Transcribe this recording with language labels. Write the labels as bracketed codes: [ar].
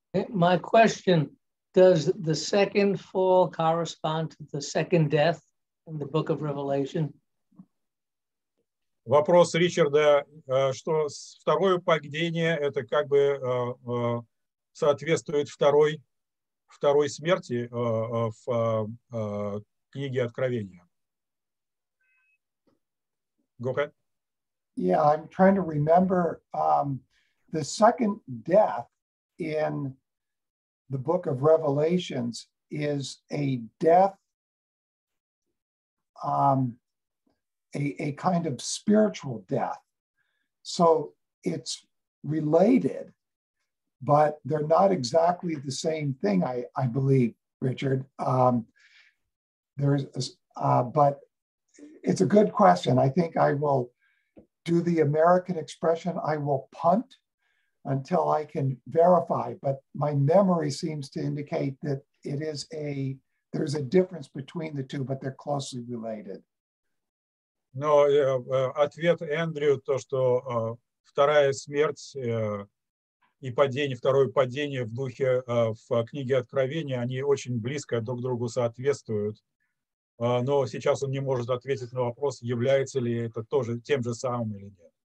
[en] My question, does the second fall correspond to the second death in the book of Revelation? [ru] Вопрос Ричарда, что второе падение, это как бы соответствует второй смерти в книге Откровения. [en] Go ahead. Yeah, I'm trying to remember the second death in the book of Revelations is a death, a kind of spiritual death. So it's related, but they're not exactly the same thing, I believe, Richard. But it's a good question. I think I will do the American expression, I will punt until I can verify, but my memory seems to indicate that it is there's a difference between the two, but they're closely related. [ru] Но ответ Эндрю, то, что вторая смерть и падение, второе падение в духе, в книге Откровения, они очень близко друг другу соответствуют. Но сейчас он не может ответить на вопрос, является ли это тоже тем же самым или нет.